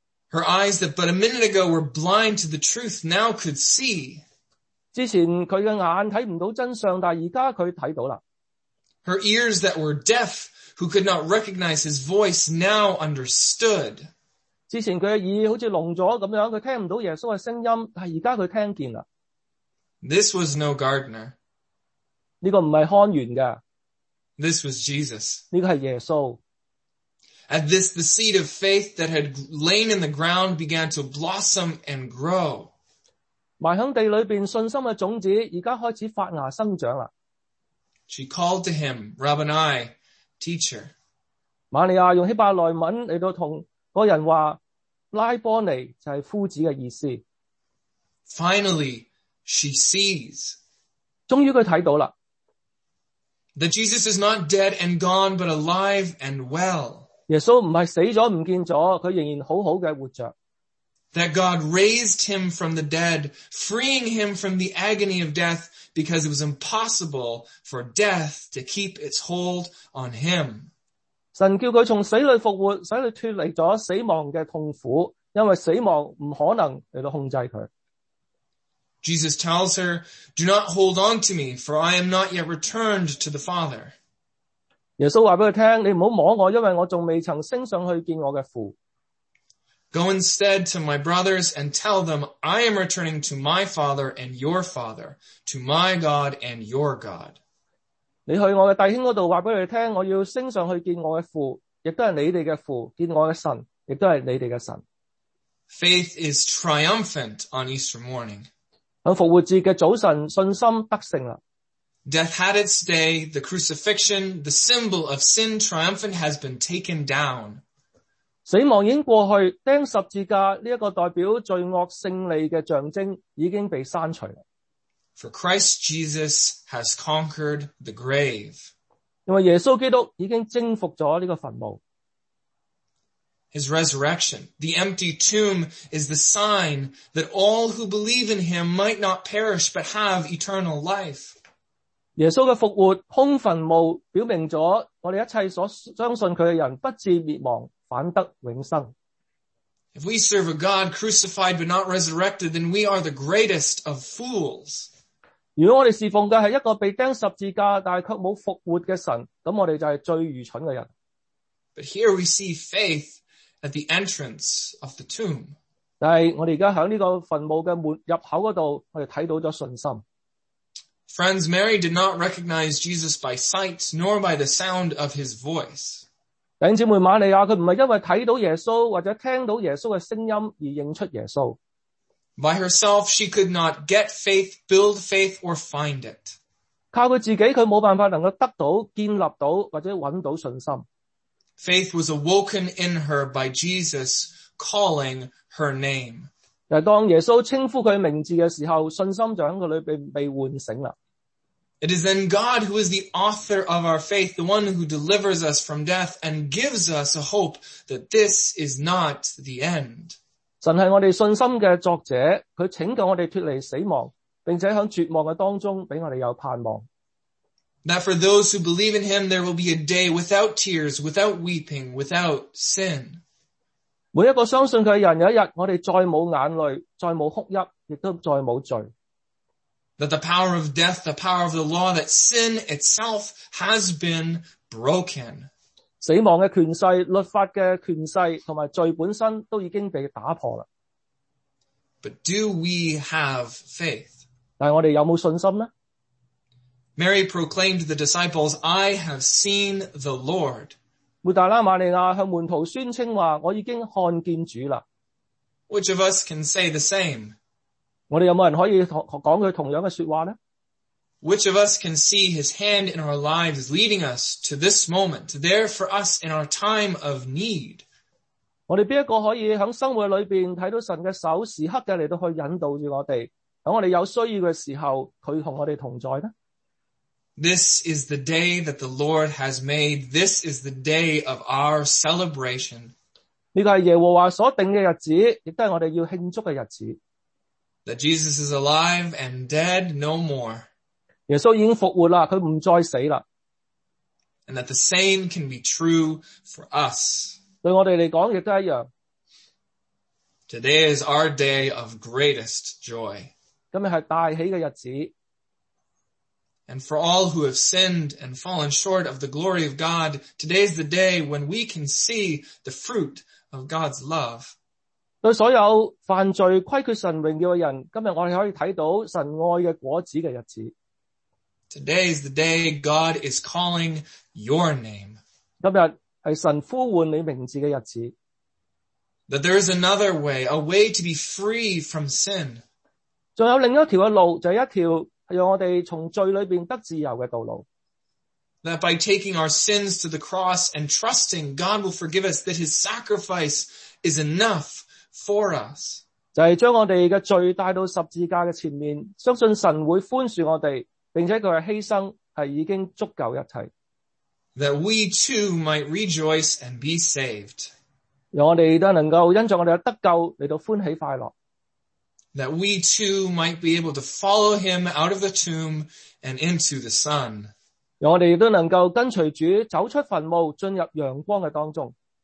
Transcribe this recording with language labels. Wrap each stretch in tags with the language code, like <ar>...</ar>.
<en>Her eyes that but a minute ago were blind to the truth now could see.</en> <zh>之前她的眼睛看不到真相但现在她看到了。</zh> <en>Her ears that were deaf, who could not recognize his voice now understood.</en> <zh>之前她的耳好像聋了这样她听不到耶稣的声音但现在她听见了。</zh> <en>This was no gardener.</en> <zh>这个不是看园的。</zh> <en>This was Jesus.</en> <zh>这个是耶稣。</zh> <en>At this, the seed of faith that had lain in the ground began to blossom and grow.</en> <zh>埋在地里面信心的种子现在开始发芽生长了。</zh> <en>She called to him, Rabbani, teacher.</en> <zh>玛利亚用希伯来文来到跟那个人说拉波尼就是夫子的意思。</zh> <en>Finally,She sees.</en> <zh>终于她看到了。</zh> <en>That Jesus is not dead and gone, but alive and well.</en> <zh>耶稣不是死了不见了她仍然好好地活着。</zh> <en>That God raised him from the dead, freeing him from the agony of death, because it was impossible for death to keep its hold on him.</en> <zh>神叫她从死里复活使她脱离了死亡的痛苦因为死亡不可能来控制她。</zh> <en>Jesus tells her, Do not hold on to me, for I am not yet returned to the Father.</en> <zh>耶稣告诉他,你不要摸我,因为我还未曾升上去见我的父。</zh> <en>Go instead to my brothers and tell them, I am returning to my father and your father, to my God and your God.</en> <zh>你去我的弟兄那里告诉他们，我要升上去见我的父，也都是你们的父，见我的神，也都是你们的神。</zh> <en>Faith is triumphant on Easter morning.</en> <zh>在复活节的早晨，信心得胜了。</zh> <en>Death had its day, the crucifixion, the symbol of sin triumphant has been taken down.</en> <zh>死亡已经过去，钉十字架这个代表罪恶胜利的象征已经被删除了。</zh> <en>For Christ Jesus has conquered the grave.</en> <zh>因为耶稣基督已经征服了这个坟墓。</zh> <en>His resurrection, the empty tomb is the sign that all who believe in him might not perish but have eternal life.</en> <zh>耶稣的复活，空坟墓表明了我们一切所相信他的人不至灭亡，反得永生。</zh> <en>If we serve a God crucified but not resurrected, then we are the greatest of fools.</en> <zh>如果我们侍奉的是一个被钉十字架但却没有复活的神，那我们就是最愚蠢的人。</zh> <en>But here we see faith at the entrance of the tomb.</en> <zh>但是我们现在在这个坟墓的门入口那里，我们看到了信心。</zh> <en>Friends, Mary did not recognize Jesus by sight, nor by the sound of his voice.</en> <zh>弟兄姊妹，玛利亚她不是因为看到耶稣或者听到耶稣的声音而认出耶稣。</zh> <en>By herself, she could not get faith, build faith, or find it.</en> <zh>靠她自己，她没办法能够得到、建立到或者找到信心。</zh> <en>Faith was awoken in her by Jesus calling her name.</en> <zh>当耶稣称呼他名字的时候，信心就在他里面被唤醒了。</zh> <en>It is then God who is the author of our faith, the one who delivers us from death and gives us a hope that this is not the end.</en> <zh>神是我们信心的作者，他拯救我们脱离死亡，并且在绝望的当中给我们有盼望。</zh> <en>That for those who believe in him, there will be a day without tears, without weeping, without sin.</en> <zh>每一个相信他的人，有一天我们再没有眼泪，再没有哭泣，也都再没有罪。</zh> <en>That the power of death, the power of the law, that sin itself has been broken.</en> <zh>死亡的权势、律法的权势和罪本身都已经被打破了。</zh> <en>But do we have faith?</en> <zh>但我们有没有信心呢？</zh> <en>Mary proclaimed to the disciples, I have seen the Lord.</en> <zh>抹大拉玛利亚向门徒宣称说，我已经看见主了。</zh> <en>Which of us can say the same?</en> <zh>我们有没有人可以讲他同样的说话呢？</zh> <en>Which of us can see his hand in our lives leading us to this moment, there for us in our time of need?</en> <zh>我们哪一个可以在生活里面看到神的手时刻的来到去引导着我们，在我们有需要的时候他和我们同在呢？</zh> <en>This is the day that the Lord has made. This is the day of our celebration.</en> <zh>这个是耶和华所定的日子，也是我们要庆祝的日子。</zh> <en>That Jesus is alive and dead no more.</en> <zh>耶稣已经复活了，他不再死了。</zh> <en>And that the same can be true for us.</en> <zh>对我们来讲也是一样。</zh> <en>Today is our day of greatest joy.</en> <zh>今天是大喜的日子。</zh> <en>And for all who have sinned and fallen short of the glory of God, today is the day when we can see the fruit of God's love.</en> <zh>对所有犯罪亏缺神荣耀的人，今天我们可以看到神爱的果子的日子。</zh> <en>Today is the day God is calling your name.</en> <zh>今天是神呼唤你名字的日子。</zh> <en>That there is another way, a way to be free from sin.</en> <zh>还有另一条的路，就是一条让我们从罪里面得自由的道路。</zh> <en>That by taking our sins to the cross and trusting God will forgive us, that his sacrifice is enough for us.</en> <zh>就是将我们的罪带到十字架的前面，相信神会宽恕我们，并且他的牺牲是已经足够一切。</zh> <en>That we too might rejoice and be saved.</en> <zh>让我们都能够因着我们的得救来到欢喜快乐。</zh> <en>That we too might be able to follow him out of the tomb and into the sun.</en> <zh>让我们都能够跟随主走出坟墓，进入阳光的当中。</zh>